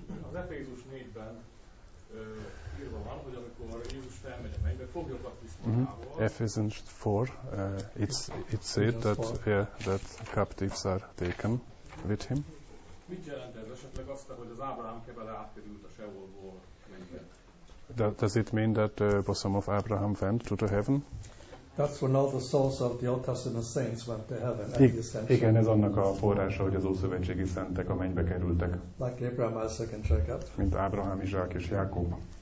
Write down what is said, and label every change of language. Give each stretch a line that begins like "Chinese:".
Hungarian: Az Efézus 4-ben írva van, hogy amikor Jézus felmegy a mennybe, foglyokat visz magával.
English: Ephesians 4, it's said that, yeah, that captives are taken with him.
Hungarian: Mit jelent ez esetleg azt, hogy az Ábrahám kebele átkerült a Seolból mennybe?
English: Does it mean that the bosom of Abraham went to the heaven? That's when all the souls of the Old Testament saints went to heaven.
Hungarian: Igen, ez annak a forrása, hogy az ószövetségi szentek a mennybe kerültek.
English: Like Abraham, Isaac and Jacob.
Hungarian: Mint Ábrahám, Izsák és Jákob.